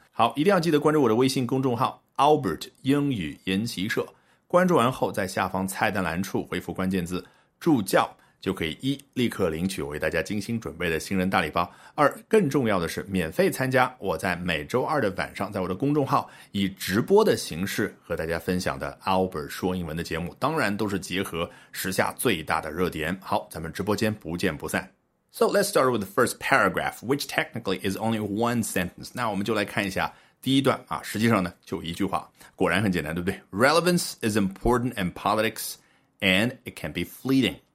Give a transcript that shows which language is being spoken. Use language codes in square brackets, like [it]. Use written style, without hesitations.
[zh] 好，一定要记得关注我的微信公众号 Albert 英语研习社，关注完后在下方菜单栏处回复关键字助教，就可以一立刻领取我为大家精心准备的新人大礼包，二更重要的是免费参加我在每周二的晚上在我的公众号以直播的形式和大家分享的 Albert 说英文的节目，当然都是结合时下最大的热点。好，咱们直播间不见不散。 [en] So let's start with the first paragraph, which technically is only one sentence. [zh] 那我们就来看一下第一段啊，实际上呢就一句话，果然很简单，对不对？ [en] Relevance is important in politics and it can be fleeting.